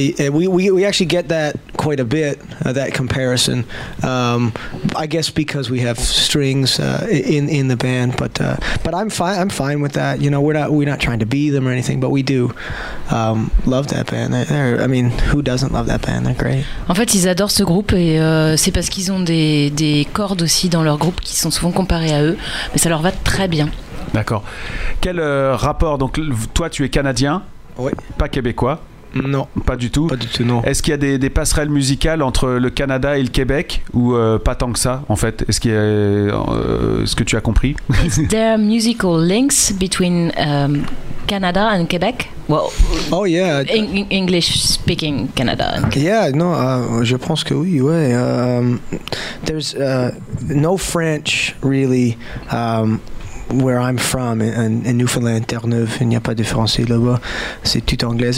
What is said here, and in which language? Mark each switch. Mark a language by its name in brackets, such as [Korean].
[English] We actually get that quite a bit, that comparison. I guess because we have strings in the band, but I'm fine with that. You know, we're not trying to be them or anything, but we do love that band. Who doesn't love that band? They're great. [French] En fait, ils adorent ce groupe et c'est parce qu'ils ont des cordes aussi dans leur groupe qui sont souvent comparées à eux, mais ça leur va très bien. D'accord. Quel rapport? Donc toi, tu es canadien, oui. Pas québécois. Non, pas du tout non. Est-ce qu'il y a des passerelles musicales entre le Canada et le Québec ou pas tant que ça en fait? Est-ce qu'il y a ce que tu as compris? [English] Is there musical links between Canada and Quebec? Well, oh yeah. English speaking Canada. Yeah, no, [French] je pense que oui, ouais. [English] There's no French really where I'm from, in Newfoundland, [French] Terre-Neuve, il n'y a pas de français là-bas, c'est tout anglais.